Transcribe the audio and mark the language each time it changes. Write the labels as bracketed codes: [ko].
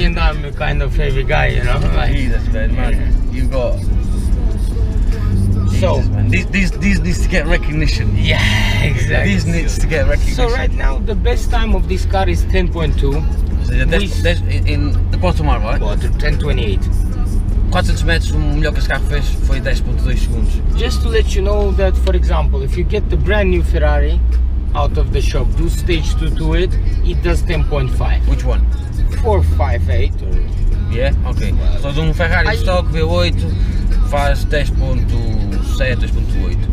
[en] You know, I'm a kind of heavy guy, you know? Like, Jesus, man, yeah. You've got... So, Jesus, man. This needs to get recognition. Yeah, exactly. This needs to get recognition. So right now, the best time of this car is 10.2. That's in the quarter mile, right? Quarter, 10.28. [pt] 400 metros, o melhor que esse carro fez foi 10.2 segundos. [en] Just to let you know that, for example, if you get the brand new Ferrari, out of the shop, do stage 2 to it, it does 10.5. Which one? 458 or... Yeah? Okay. Well, so, [pt] de um Ferrari I... stock V8 faz 10.7, 10.8.